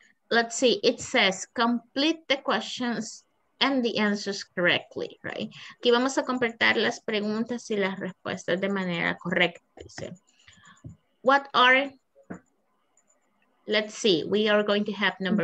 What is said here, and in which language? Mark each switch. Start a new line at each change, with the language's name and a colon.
English: Let's see, it says complete the questions and the answers correctly, right?
Spanish: Aquí vamos a completar las preguntas y las respuestas de manera correcta, dice.
English: What are, let's see, we are going to have number